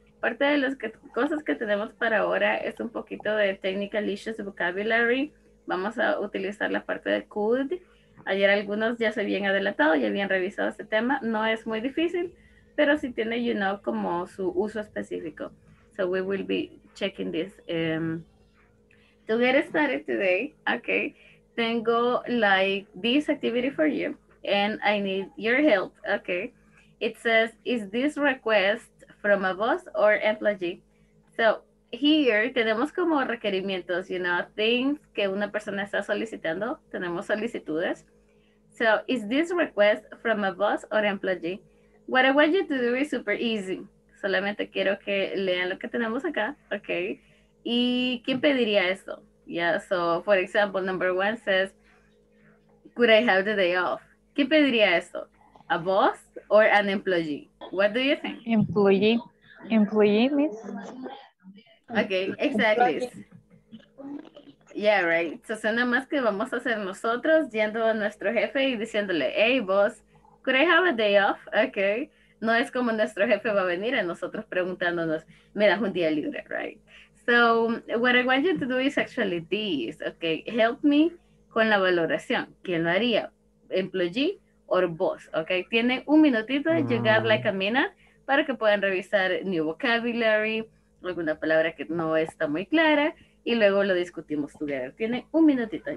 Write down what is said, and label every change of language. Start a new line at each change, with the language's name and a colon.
Spanish: Parte de las cosas que tenemos para ahora es un poquito de
English: technical issues vocabulary.
Spanish: Vamos a utilizar la parte de could. Ayer algunos ya se habían adelantado, ya habían revisado este tema. No es muy difícil, pero sí tiene, como su uso específico.
English: So we will be checking this. To get started today, okay, tengo like this activity for you and I need your help, okay. It says, is this request from a boss or employee?
Spanish: So, here tenemos como requerimientos, things que una persona está solicitando, tenemos solicitudes.
English: So, is this request from a boss or employee? What I want you to do is super easy.
Spanish: Solamente quiero que lean lo que tenemos acá, okay? ¿Y quién pediría esto?
English: Yeah, so, for example, number one says, could I have the day off?
Spanish: ¿Quién pediría esto?
English: A boss or an employee? What do you think? Employee. Employee, miss. Okay, exactly. Yeah, right.
Spanish: So, suena más que vamos a hacer nosotros yendo a nuestro jefe y diciéndole,
English: hey, boss, could I have a day off?
Spanish: Okay. No es como nuestro jefe va a venir a nosotros preguntándonos, ¿me das un día libre?
English: Right. So, what I want you to do is actually this, okay. Help me
Spanish: con la valoración. ¿Quién lo haría?
English: Employee or boss, okay.
Spanish: Tiene un minutito,
English: you got like a minute,
Spanish: para que puedan revisar
English: new vocabulary,
Spanish: alguna palabra que no está muy clara y luego lo discutimos
English: together.
Spanish: Tiene un minutito.